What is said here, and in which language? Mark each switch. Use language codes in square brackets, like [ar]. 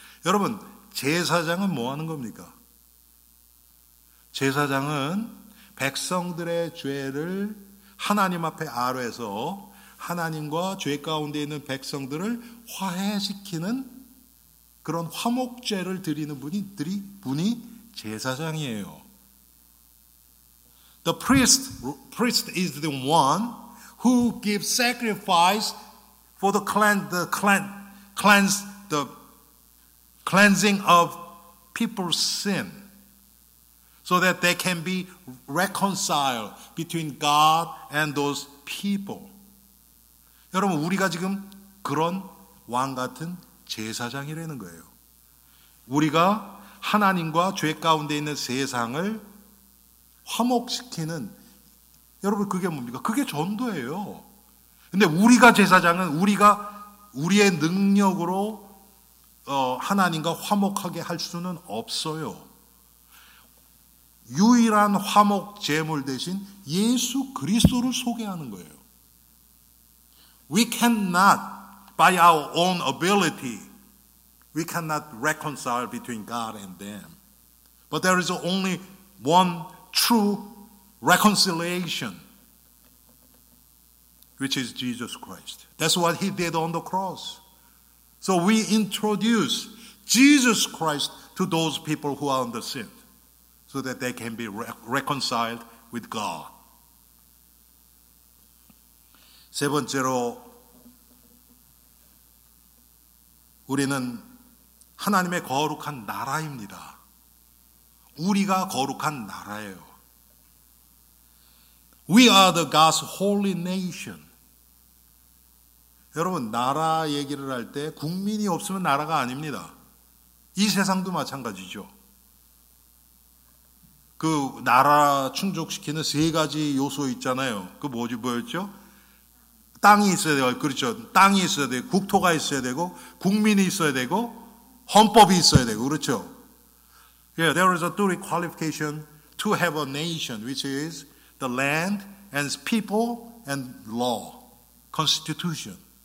[ko] 여러분, 제사장은 뭐 하는 겁니까? 제사장은 백성들의 죄를 하나님 앞에 아뢰서 하나님과 죄 가운데 있는 백성들을 화해시키는 그런 화목제를 드리는 분이 제사장이에요. [en] The priest is the one who gives sacrifice for the cleansing of people's sin so that they can be reconciled between God and those people. [ko] 여러분 우리가 지금 그런 왕 같은 제사장이라는 거예요. 우리가 하나님과 죄 가운데 있는 세상을 화목시키는 여러분 그게 뭡니까? 그게 전도예요. 근데 우리가 제사장은 우리의 능력으로 하나님과 화목하게 할 수는 없어요. 유일한 화목 제물 대신 예수 그리스도를 소개하는 거예요. [en] We cannot by our own ability we cannot reconcile between God and them. But there is only one true reconciliation, which is Jesus Christ. That's what he did on the cross. So we introduce Jesus Christ to those people who are under sin so that they can be reconciled with God. [ko] 세 번째로 우리는 하나님의 거룩한 나라입니다. 우리가 거룩한 나라예요. [en] We are the God's holy nation. [ko] 여러분 나라 얘기를 할 때 국민이 없으면 나라가 아닙니다. 이 세상도 마찬가지죠. 그 나라 충족시키는 세 가지 요소 있잖아요. 그 뭐지 뭐였죠? 땅이 있어야 돼요. 그렇죠. 땅이 있어야 돼요. 국토가 있어야 되고 국민이 있어야 되고 헌법이 있어야 되고 그렇죠. [en] Yeah, there is a three qualification to have a nation, which is the land and people and law, constitution.